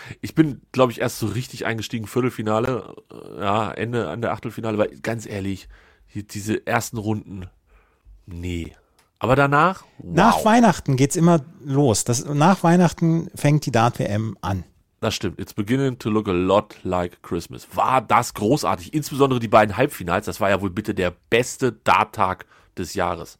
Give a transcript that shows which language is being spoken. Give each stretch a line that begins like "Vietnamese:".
German: Ich bin, glaube ich, erst so richtig eingestiegen, Viertelfinale, ja, Ende an der Achtelfinale, weil ganz ehrlich, diese ersten Runden, nee. Aber danach, wow. Nach Weihnachten geht's immer los. Nach Weihnachten fängt die Dart-WM an. Das stimmt.
English: It's beginning to look a lot like Christmas.
German: War das großartig. Insbesondere die beiden Halbfinals. Das war ja wohl bitte der beste Dart-Tag des Jahres.